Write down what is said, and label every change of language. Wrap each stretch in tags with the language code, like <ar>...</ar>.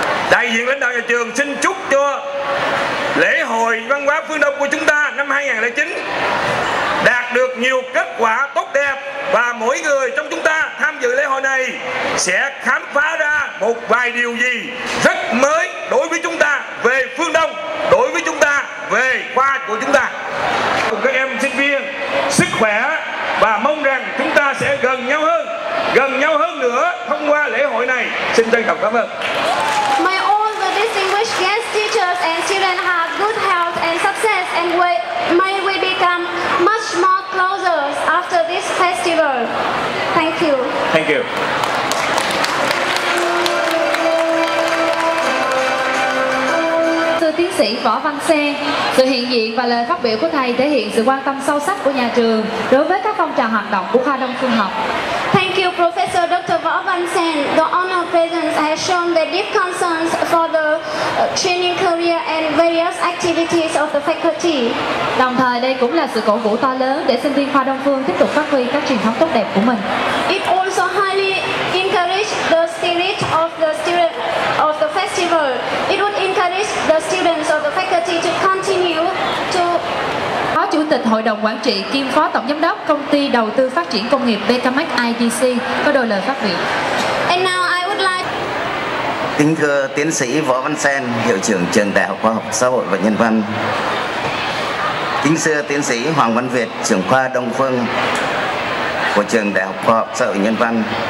<vi>Đại diện lãnh đạo nhà trường xin chúc cho lễ hội văn hóa phương Đông của chúng ta năm 2009 đạt được nhiều kết quả tốt đẹp và mỗi người trong chúng ta tham dự lễ hội này sẽ khám phá ra một vài điều gì rất mới đối với chúng ta về phương Đông, đối với chúng ta về khoa của chúng ta. Cùng các em sinh viên sức khỏe và mong rằng chúng ta sẽ gần nhau hơn nữa thông qua lễ hội này. Xin trân trọng cảm ơn.</vi> <en>May all the distinguished guest teachers and students have good health and success and may we become much more closer after this festival. Thank you. Thank you.</en> <vi>Tiến sĩ Võ Văn Sen, sự hiện diện và lời phát biểu của thầy thể hiện sự quan tâm sâu sắc của nhà trường đối với các phong trào hoạt động của khoa Đông Phương học.</vi> <en>Thank you, Professor Dr. Võ Văn Sen. The honor presence has shown the deep concerns for the training career and various activities of the faculty.</en> <vi>Đồng thời, đây cũng là sự cổ vũ to lớn để sinh viên khoa Đông Phương tiếp tục phát huy các truyền thống tốt đẹp của mình.</vi> <en>It also highly encourage the spirit of the student of the festival. It would encourage the students of the faculty to continue to.</en> <vi>Phó Chủ tịch Hội đồng Quản trị kiêm Phó Tổng Giám đốc Công ty Đầu tư Phát triển Công nghiệp Becamex IDC có đôi lời phát biểu.</vi> <en>And now I would like.</en> <vi>Kính thưa Tiến sĩ Võ Văn Sen, Hiệu trưởng Trường Đại học Khoa học Xã hội và Nhân văn. Kính thưa Tiến sĩ Hoàng Văn Việt, Trưởng khoa Đông Phương của Trường Đại học Khoa học Xã hội Nhân văn.</vi>